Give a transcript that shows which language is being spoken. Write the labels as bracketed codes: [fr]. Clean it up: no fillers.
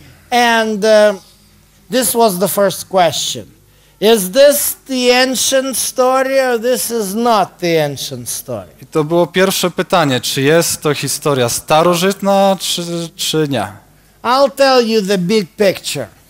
[en] And this was the first question. Is this the ancient story or this is not the ancient story? [pl] I to było pierwsze pytanie, czy jest to historia starożytna, czy nie? [en] I'll tell you the big picture.